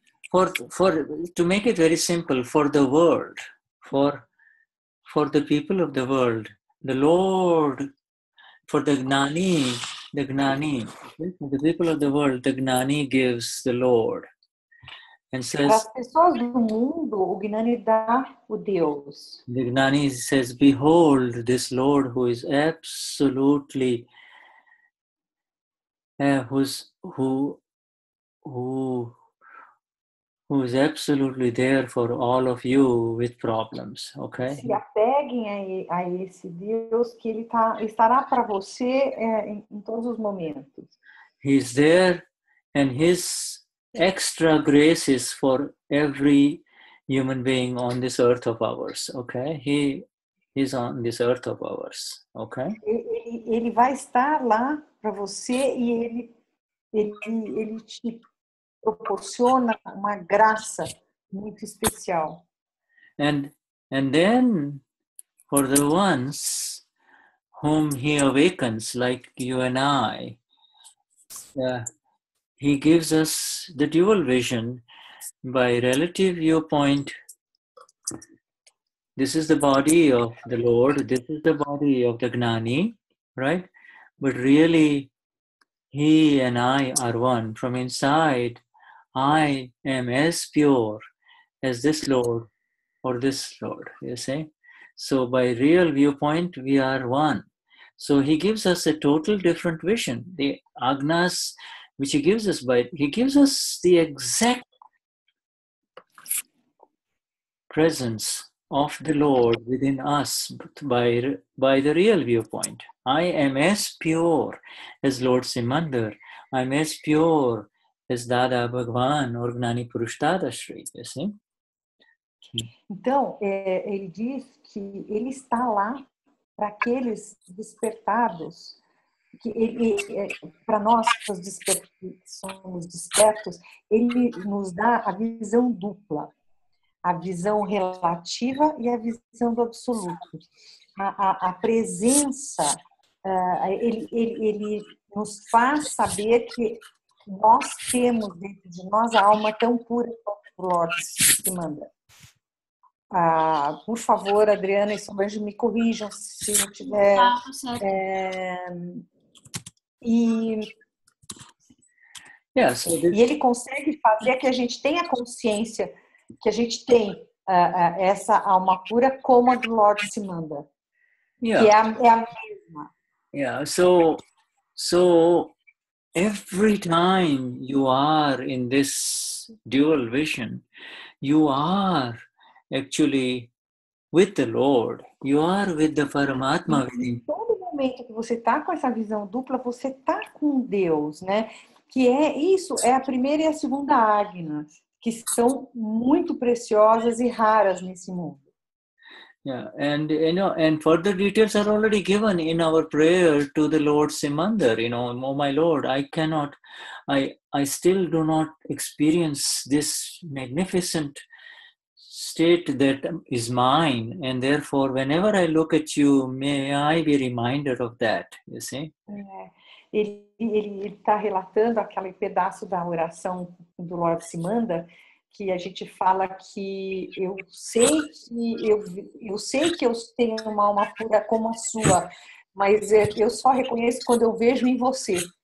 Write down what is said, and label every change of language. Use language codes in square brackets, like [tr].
[en] For to make it very simple, for the world, for the people of the world, the Lord, for the Gnani, the people of the world, the Gnani gives the Lord and says, [pt] as pessoas do mundo, o Gnani dá o Deus. [en] The Gnani says, behold this Lord who is absolutely who is absolutely there for all of you with problems, okay? [pt] Se apeguem a esse Deus, que ele tá, estará para você em todos os momentos. [en] He is there and his extra grace is for every human being on this earth of ours, okay? He is on this earth of ours, okay? [pt] Ele vai estar lá para você e ele te proporciona uma graça muito especial. [en] And then, for the ones whom he awakens, like you and I, he gives us the dual vision by relative viewpoint. This is the body of the Lord, this is the body of the Gnani, right? But really, he and I are one from inside. I am as pure as this Lord or this Lord, you see? So by real viewpoint, we are one. So he gives us a total different vision. The Agnas, which he gives us, by he gives us the exact presence of the Lord within us by the real viewpoint. I am as pure as Lord Simandar. I'm as pure as Dada Bhagavan or Gnani Purushtada Shri, you see? [pt] Então, ele diz que ele está lá para aqueles despertados, para nós que somos despertos, ele nos dá a visão dupla, a visão relativa e a visão do absoluto. A presença, ele nos faz saber que nós temos dentro de nós a alma tão pura quanto o Lord Simandar. Por favor, Adriana e Solange, me corrijam se eu tiver. E ele consegue fazer que a gente tenha consciência que a gente tem essa alma pura como a do Lord Simandar. Que é a mesma. [en] So every time you are in this dual vision, you are actually with the Lord. You are with the Paramatma. [pt] Todo momento que você está com essa visão dupla, você está com Deus, né? que é isso, é a primeira e a segunda Agna, que são muito preciosas e raras nesse mundo. [en] Yeah, and you know, and further details are already given in our prayer to the Lord Simandar. You know, oh my Lord, I cannot, I still do not experience this magnificent state that is mine, and therefore, whenever I look at you, may I be reminded of that. You see? [pt] Ele está relatando aquele pedaço da oração do Lord Simandar. Que a gente fala que eu sei que eu tenho uma alma pura como a sua, mas eu só reconheço quando eu vejo em você.